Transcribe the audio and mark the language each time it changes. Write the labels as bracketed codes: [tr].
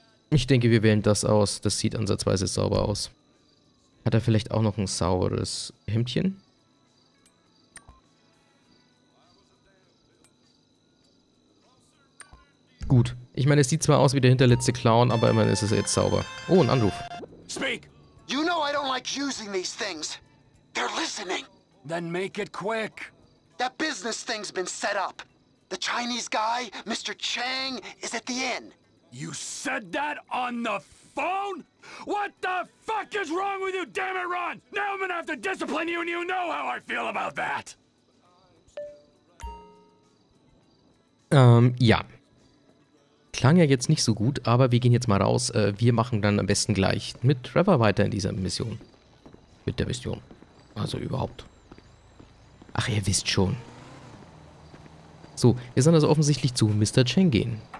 [de] Ich denke, wir wählen das aus. Das sieht ansatzweise sauber aus. Hat er vielleicht auch noch ein sauberes Hemdchen? Gut. Ich meine, es sieht zwar aus wie der hinterletzte Clown, aber immerhin ist es jetzt sauber. Oh, ein Anruf. [en] Speak. You know I don't like using these things. They're listening. Then make it quick. That business thing's been set up. The Chinese guy, Mr. Chang, is at the inn. You said that on the phone? What the fuck is wrong with you, damn it, Ron? Now I'm gonna have to discipline you and you know how I feel about that. [de] Ja. Klang ja jetzt nicht so gut, aber wir gehen jetzt mal raus. Wir machen dann am besten gleich mit Trevor weiter in dieser Mission. Mit der Mission. Also überhaupt. Ach, ihr wisst schon. So, wir sollen also offensichtlich zu Mr. Chang gehen.